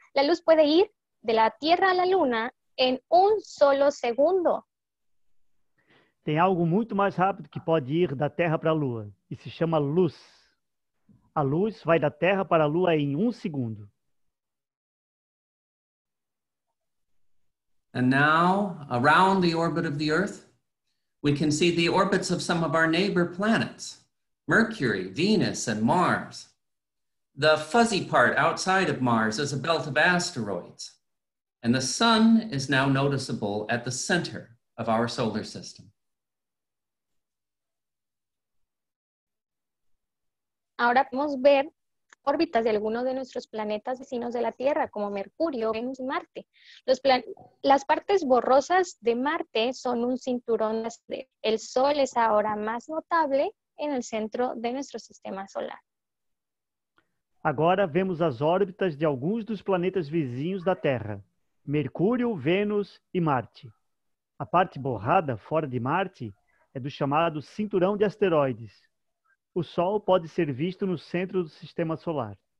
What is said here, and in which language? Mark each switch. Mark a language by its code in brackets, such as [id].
[es] La luz puede ir de la Tierra a la Luna en un solo segundo. [pt] Tem algo muito mais rápido que pode ir da Terra para a Lua, e se chama luz. A luz vai da Terra para a Lua em 1 segundo. [en] And now, around the orbit of the Earth, we can see the orbits of some of our neighbor planets, Mercury, Venus, and Mars. The fuzzy part outside of Mars is a belt of asteroids, and the Sun is now noticeable at the center of our solar system. [es] Ahora podemos ver órbitas de algunos de nuestros planetas vecinos de la Tierra, como Mercurio, Venus y Marte. Las partes borrosas de Marte son un cinturón de estrellas. El Sol es ahora más notable en el centro de nuestro sistema solar. [pt] Agora vemos as órbitas de alguns dos planetas vizinhos da Terra, Mercúrio, Vênus e Marte. A parte borrada fora de Marte é do chamado cinturão de asteroides. O Sol pode ser visto no centro do sistema solar.